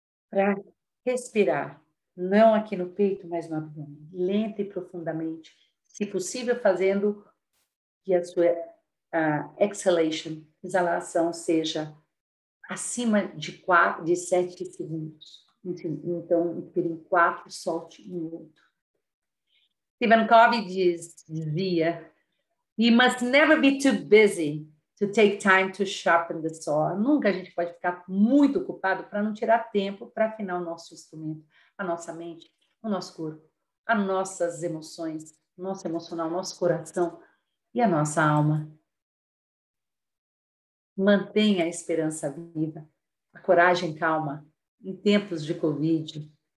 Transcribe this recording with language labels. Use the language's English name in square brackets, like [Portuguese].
[Portuguese] para respirar, não aqui no peito, mas no abdômen, lenta e profundamente, se possível fazendo que a sua exhalation, exalação, seja acima de 7 segundos. Então, inspire em 4, solte em 8. [English] Stephen Covey dizia: "You must never be too busy to take time to sharpen the saw." [Portuguese] Nunca a gente pode ficar muito ocupado para não tirar tempo para afinar o nosso instrumento, a nossa mente, o nosso corpo, as nossas emoções, o nosso emocional, o nosso coração e a nossa alma. Mantenha a esperança viva, a coragem calma, em tempos de Covid.